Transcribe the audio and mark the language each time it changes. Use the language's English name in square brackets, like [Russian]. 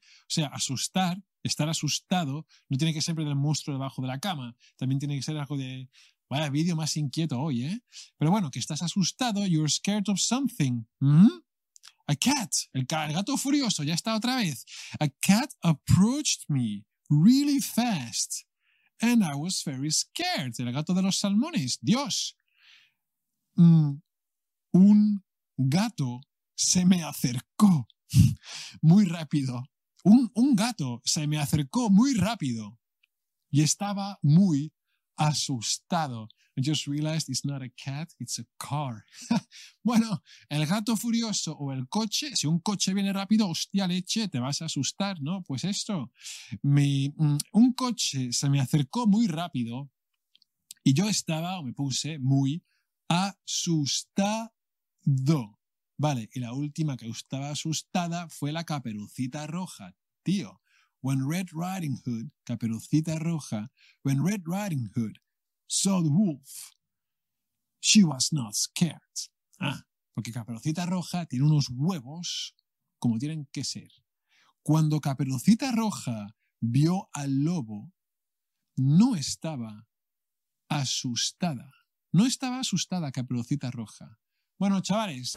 [Spanish] O sea, asustar, estar asustado, no tiene que ser del monstruo debajo de la cama. También tiene que ser algo de... Vaya, vale, vídeo más inquieto hoy, ¿eh? Pero bueno, que estás asustado, [English] you're scared of something. A cat, [Spanish] el gato furioso, ya está otra vez. [English] A cat approached me really fast and I was very scared. [Spanish] El gato de los salmones, Dios. Un gato se me acercó muy rápido. Un gato se me acercó muy rápido y estaba muy asustado. [English] I just realized it's not a cat, it's a car. [Spanish] Bueno, el gato furioso o el coche, si un coche viene rápido, hostia leche, te vas a asustar, ¿no? Pues esto, un coche se me acercó muy rápido y yo estaba, o me puse, muy asustado. Vale, y la última que estaba asustada fue la Caperucita Roja, tío. [English] When Red Riding Hood, Caperucita Roja, when Red Riding Hood saw the wolf, she was not scared. [Spanish] Ah, porque Caperucita Roja tiene unos huevos como tienen que ser. Cuando Caperucita Roja vio al lobo, no estaba asustada. No estaba asustada Caperucita Roja. Bueno, chavales.